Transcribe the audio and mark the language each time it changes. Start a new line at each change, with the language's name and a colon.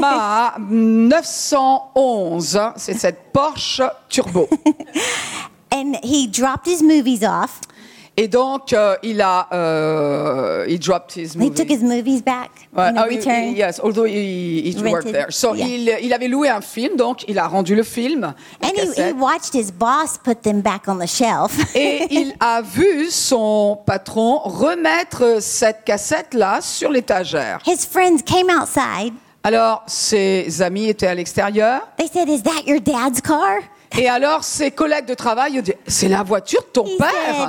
French: Ma 911, c'est cette Porsche turbo.
English: And he dropped his movies off.
French: Et donc il a
English: he dropped his movies. He took his movies back. Yes, although he rented, worked there. So yeah.
French: il avait loué un film, donc il a rendu le film.
English: And he watched his boss put them back on the shelf.
French: Et il a vu son patron remettre cette cassette là sur l'étagère.
English: His friends came outside.
French: Alors ses amis étaient à l'extérieur.
English: They said, "Is that your dad's car?"
French: Et alors, ses collègues de travail ont dit, c'est la voiture de ton père.